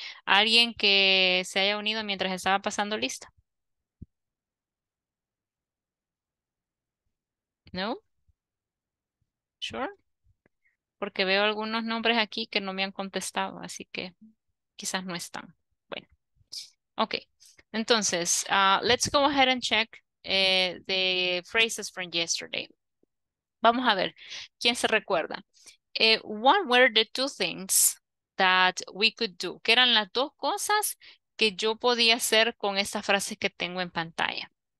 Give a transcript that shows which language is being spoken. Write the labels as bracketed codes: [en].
[es] ¿Alguien que se haya unido mientras estaba pasando lista? No? Sure. Porque veo algunos nombres aquí que no me han contestado, así que quizás no están. Bueno. Okay. [en] Entonces, let's go ahead and check the phrases from yesterday. [es] Vamos a ver, ¿quién se recuerda? [en] What were the two things that we could do? [es] ¿Qué eran las dos cosas que yo podía hacer con esta frase que tengo en pantalla?